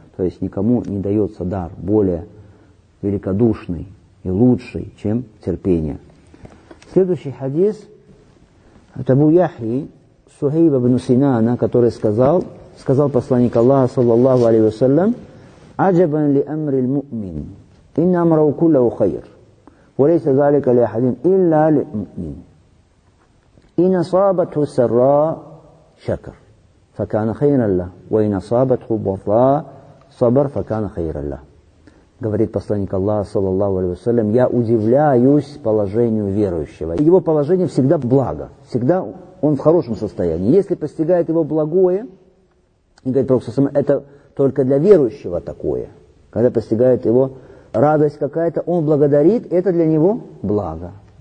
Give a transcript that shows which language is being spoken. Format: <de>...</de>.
<ru>То есть никому не дается дар более великодушный и лучший, чем терпение. Следующий хадис от Абу Яхьи Сухейба бин Синана, который сказал посланник Аллаха, саллаллаху алейхи ва саллям,</ru> <ar>«Аджабан ли амри ль-му'мин, инна амрау куллаху хайр, وليس ذلك لأحد إلا للمؤمن. إن أصابته سراء شكر فكان خيرا له، وإن أصابته ضراء صبر فكان خيرا له.</ar> <ru>Говорит посланник Аллаха, саллаллаху алейхи ва саллям, я удивляюсь положению верующего. Его положение всегда благо, всегда он в хорошем состоянии. Если постигает его благое, и говорит Пророк саллаллаху алейхи ва саллям, это только для верующего такое. Когда постигает его радость какая-то, он благодарит, это для него благо.</ru>